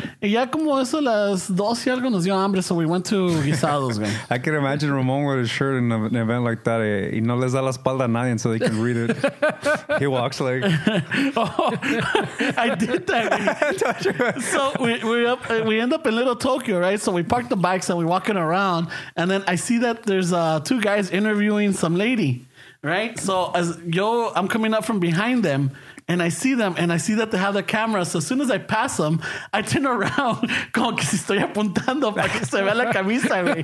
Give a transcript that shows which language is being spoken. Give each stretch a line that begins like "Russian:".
Spanish: Y ya como eso las 12 y algo nos dio hambre.
English: So we went to guisados, man. I can imagine Ramon with a shirt in an event like that.
Spanish: Y no les da la espalda a nadie
English: so they can read it. He walks like. Oh, I did that. So we end up in Little Tokyo, right? So we park the bikes and we walking around. And then I see that there's two guys interviewing some lady, right? So I'm coming up from behind them. And I see them, and I see that they have the camera. So as soon as I pass them, I turn around.
Spanish: Como que si estoy apuntando para que se vea la camisa, güey.